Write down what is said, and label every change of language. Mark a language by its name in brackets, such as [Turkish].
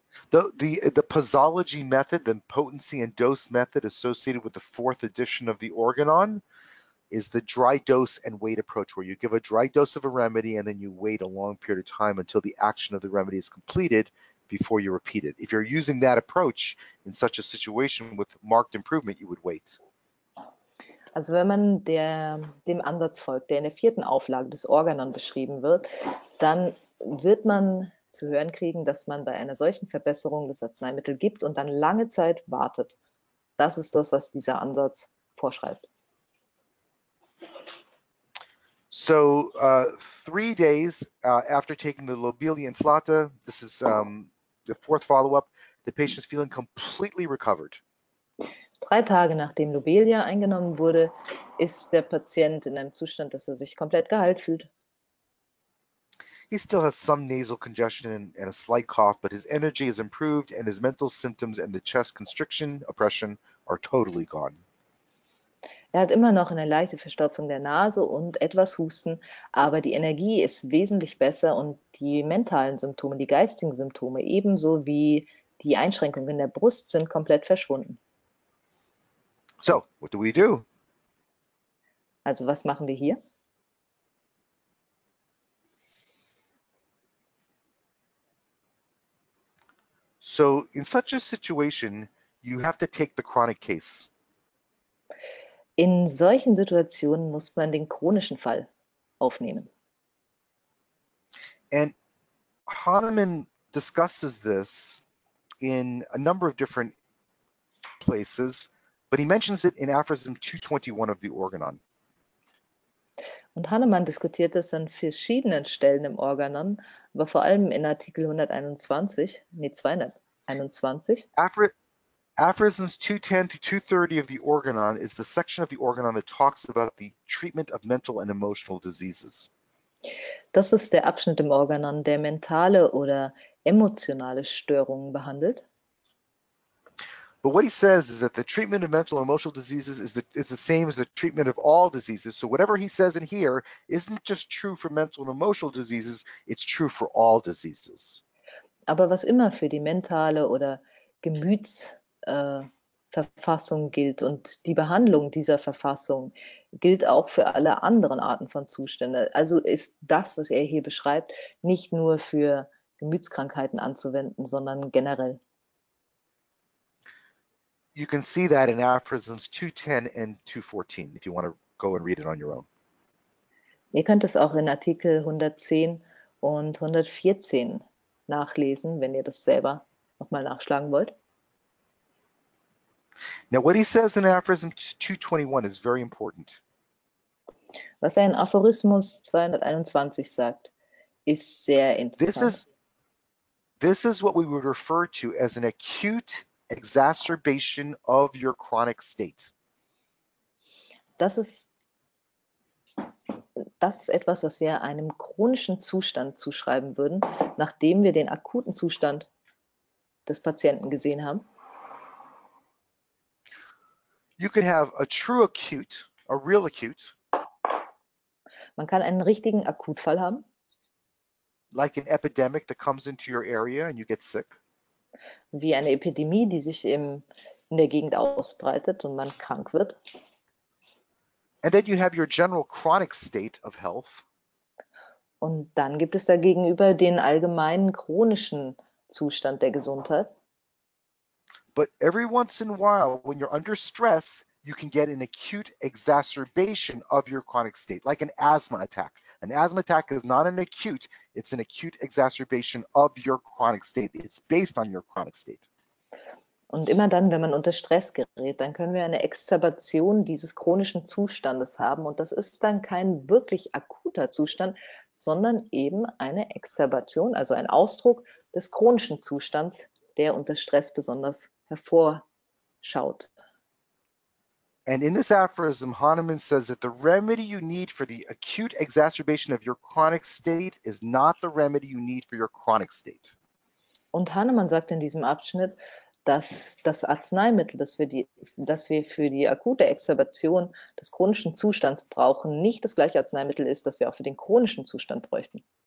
[English] The posology method, the potency and dose method associated with the fourth edition of the Organon, is the dry dose and wait approach, where you give a dry dose of a remedy and then you wait a long period of time until the action of the remedy is completed before you repeat it. If you're using that approach in such a situation with marked improvement, you would wait. [German] Also wenn man dem Ansatz folgt, der in der vierten Auflage des Organon beschrieben wird, dann wird man zu hören kriegen, dass man bei einer solchen Verbesserung das Arzneimittel gibt und dann lange Zeit wartet. Das ist das, was dieser Ansatz vorschreibt. [English] So 3 days after taking the lobelia inflata, this is the fourth follow-up, the patient is feeling completely recovered. [German] 3 Tage nachdem Lobelia eingenommen wurde, ist der Patient in einem Zustand, dass er sich komplett geheilt fühlt. [English] He still has some nasal congestion and a slight cough, but his energy is improved and his mental symptoms and the chest constriction oppression are totally gone. [German] Er hat immer noch eine leichte Verstopfung der Nase und etwas Husten, aber die Energie ist wesentlich besser und die mentalen Symptome, die geistigen Symptome, ebenso wie die Einschränkungen in der Brust sind komplett verschwunden. [English] So, what do we do? [German] Also, was machen wir hier? [English] So, in such a situation, you have to take the chronic case. [German] In solchen Situationen muss man den chronischen Fall aufnehmen. [English] And Hahnemann discusses this in a number of different places, but he mentions it in Aphorism 221 of the Organon. [German] Und Hahnemann diskutiert das an verschiedenen Stellen im Organon, aber vor allem in Artikel 121, nee, 221. [English] Aphorisms 210 to 230 of the Organon is the section of the Organon that talks about the treatment of mental and emotional diseases. [German] Das ist der Abschnitt im Organon, der mentale oder emotionale Störungen behandelt. [English] But what he says is that the treatment of mental and emotional diseases is the same as the treatment of all diseases. So whatever he says in here isn't just true for mental and emotional diseases, it's true for all diseases. [German] Aber was immer für die mentale oder Gemütsverfassung gilt und die Behandlung dieser Verfassung gilt auch für alle anderen Arten von Zuständen. Also ist das, was er hier beschreibt, nicht nur für Gemütskrankheiten anzuwenden, sondern generell. [English] You can see that in Aphorisms 210 and 214, if you want to go and read it on your own. [German] Ihr könnt es auch in Artikel 110 und 114 nachlesen, wenn ihr das selber nochmal nachschlagen wollt. [English] Now, what he says in Aphorism 221 is very important. [German] Was er in Aphorismus 221 sagt, ist sehr interessant. [English] This is what we would refer to as an acute exacerbation of your chronic state. [German] Das ist etwas, was wir einem chronischen Zustand zuschreiben würden, nachdem wir den akuten Zustand des Patienten gesehen haben. [English] You could have a true acute, a real acute, [German] Man kann einen richtigen Akutfall haben. [English] like an epidemic that comes into your area and you get sick. [German] Wie eine Epidemie, die sich in der Gegend ausbreitet und man krank wird. [English] And then you have your general chronic state of health. [German] Und dann gibt es dagegenüber den allgemeinen chronischen Zustand der Gesundheit. [English] But every once in a while, when you're under stress, you can get an acute exacerbation of your chronic state, like an asthma attack. An asthma attack is not an acute, it's an acute exacerbation of your chronic state. It's based on your chronic state. [German] Und immer dann, wenn man unter Stress gerät, dann können wir eine Exzerbation dieses chronischen Zustandes haben. Und das ist dann kein wirklich akuter Zustand, sondern eben eine Exzerbation, also ein Ausdruck des chronischen Zustands, der unter Stress besonders hervorschaut. [English] And in this aphorism, Hahnemann says that the remedy you need for the acute exacerbation of your chronic state is not the remedy you need for your chronic state. [German] Und Hahnemann sagt in diesem Abschnitt, dass das Arzneimittel, das wir für die akute Exzerption des chronischen Zustands brauchen, nicht das gleiche Arzneimittel ist, das wir auch für den chronischen Zustand bräuchten.